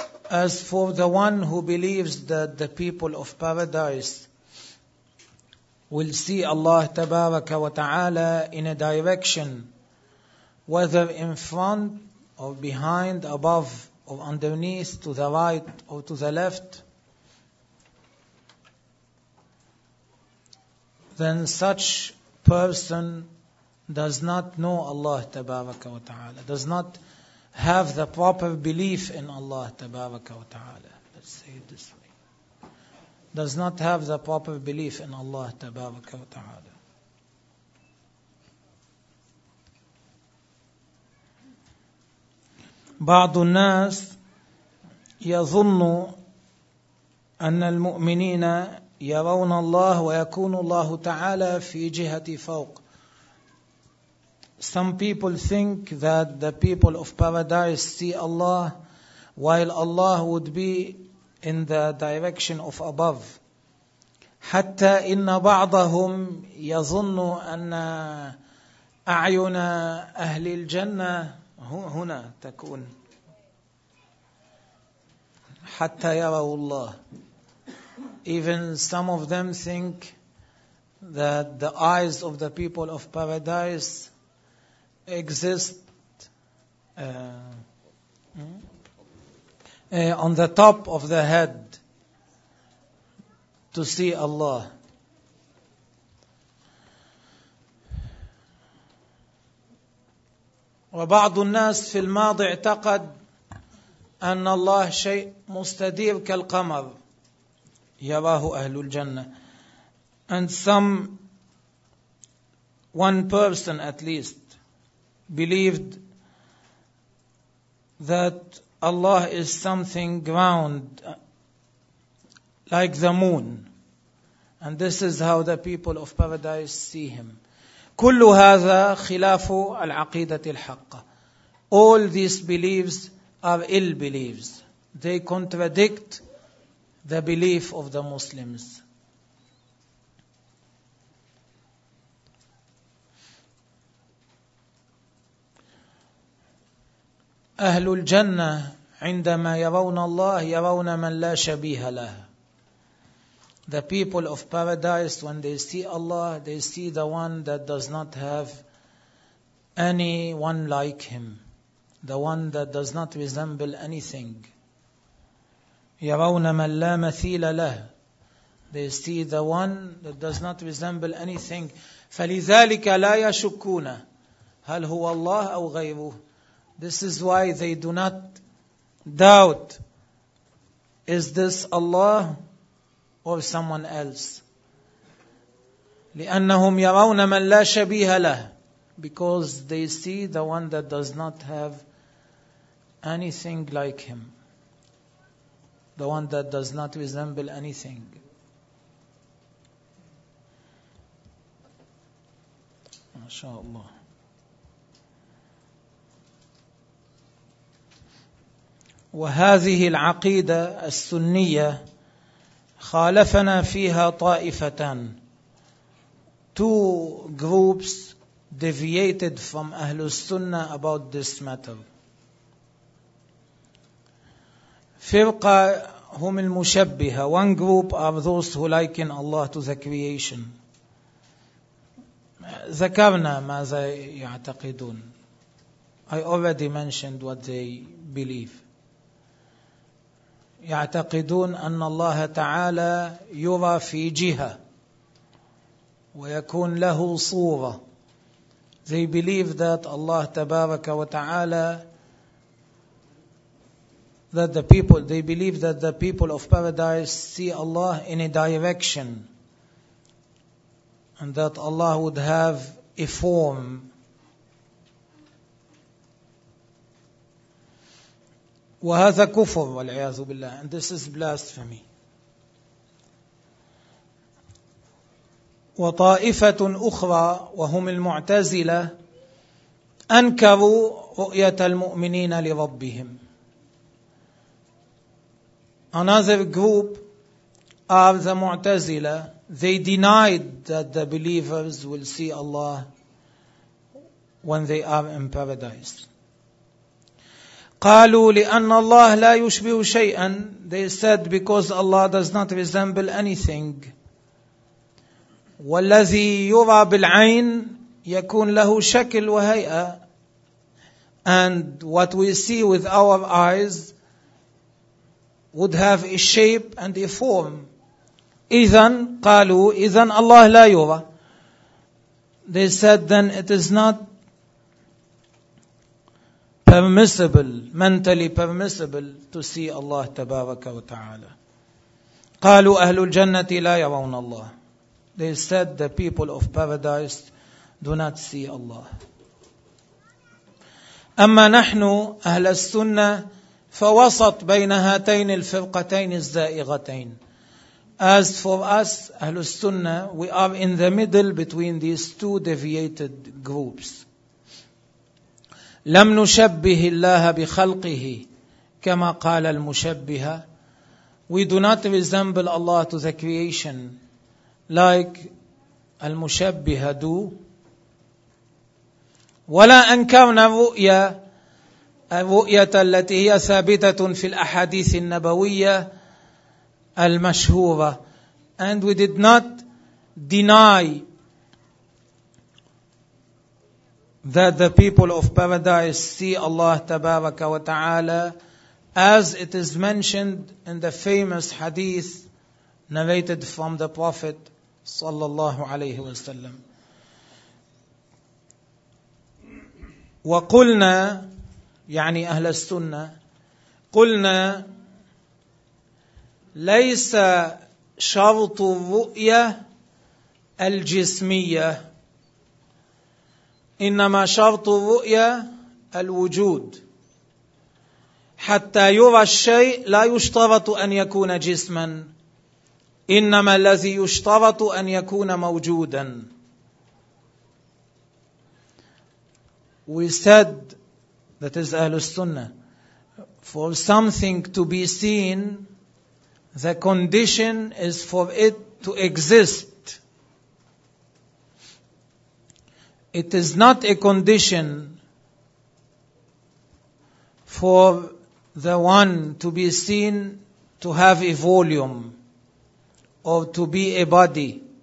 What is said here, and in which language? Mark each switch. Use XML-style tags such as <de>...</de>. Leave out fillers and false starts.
<en>As for the one who believes that the people of paradise will see Allah Tabaraka wa Ta'ala in a direction, whether in front or behind, above or underneath, to the right or to the left, then such person does not know Allah Tabaraka wa Ta'ala, does not have the proper belief in Allah Tabaraka wa Ta'ala. Let's say it this way. Does not have the proper belief in Allah Tabaraka wa Ta'ala.</en> <ar>بعض الناس يظن أن المؤمنين يرون الله ويكون الله تعالى في جهة فوق.</ar> <en>Some people think that the people of paradise see Allah while Allah would be in the direction of above.</en> <ar>حتى إن بعضهم يظن أن أعين أهل الجنة هنا تكون حتى يروا الله.</ar> <en>Even some of them think that the eyes of the people of paradise exist on the top of the head to see Allah.</en> <ar>وبعض الناس في الماضي اعتقد أن الله شيء مستدير كالقمر يراه أهل الجنة.</ar> <en>And some one person at least believed that Allah is something round like the moon, and this is how the people of paradise see him.</en> <ar>كل هذا خلاف العقيدة الحقة.</ar> <en>All these beliefs are ill beliefs. They contradict the belief of the Muslims.</en> <ar>أهل الجنة عندما يرون الله يرون من لا شبيه له.</ar> <en>The people of paradise, when they see Allah, they see the one that does not have anyone like him, the one that does not resemble anything.</en> <ar>يرون من لا مثيل له.</ar> <en>They see the one that does not resemble anything.</en> <ar>فلذلك لا يشكون هل هو الله أو غيره.</ar> <en>This is why they do not doubt, is this Allah or someone else?</en> <ar>لأنهم يرون من لا شبيه له,</ar> <en>because they see the one that does not have anything like him, the one that does not resemble anything.</en> <ar>MashaAllah. وهذه العقيدة السنية خالفنا فيها طائفتان.</ar> <en>Two groups deviated from أهل السنة about this matter.</en> <ar>فرقة هم المشبهة.</ar> <en>One group are those who liken Allah to the creation.</en> <ar>ذكرنا ماذا يعتقدون.</ar> <en>I already mentioned what they believe.</en> <ar>يعتقدون أن الله تعالى يرى في جهة ويكون له صورة.</ar> <en>They believe that Allah تبارك وتعالى, that the people, they believe that the people of paradise see Allah in a direction, and that Allah would have a form.</en> <ar>وهذا كفر والعياذ بالله,</ar> <en>and this is blasphemy.</en> <ar>وطائفة أخرى وهم المعتزلة أنكروا رؤية المؤمنين لربهم.</ar> <en>Another group are the Mu'tazila. They denied that the believers will see Allah when they are in paradise.</en> <ar>قالوا لأن الله لا يشبه شيئا.</ar> <en>They said because Allah does not resemble anything.</en> <ar>والذي يرى بالعين يكون له شكل وهيئة.</ar> <en>And what we see with our eyes would have a shape and a form.</en> <ar>إذن قالوا إذن الله لا يرى.</ar> <en>They said then it is not permissible, mentally permissible to see Allah تبارك وتعالى.</en> <ar>قالوا أهل الجنة لا يرون الله.</ar> <en>They said the people of paradise do not see Allah.</en> <ar>أما نحن أهل السنة فوسط بين هاتين الفرقتين الزائغتين.</ar> <en>As for us, أهل السنة, we are in the middle between these two deviated groups.</en> <ar>لم نشبه الله بخلقه كما قال المشبهة.</ar> <en>We do not resemble Allah to the creation like المشبهة do.</en> <ar>ولا أنكرنا الرؤية, الرؤية التي هي ثابتة في الأحاديث النبوية المشهورة.</ar> <en>And we did not deny that the people of paradise see Allah تبارك وتعالى as it is mentioned in the famous hadith narrated from the Prophet صلى الله عليه وسلم.</en> <ar>وقلنا يعني أهل السنة قلنا ليس شرط الرؤية الجسمية, إنما شرط الرؤية الوجود. حتى يرى الشيء لا يشترط أن يكون جسما, إنما الذي يشترط أن يكون موجودا.</ar> <en>We said, that is أهل السنة, for something to be seen, the condition is for it to exist. It is not a condition for the one to be seen to have a volume or to be a body.</en>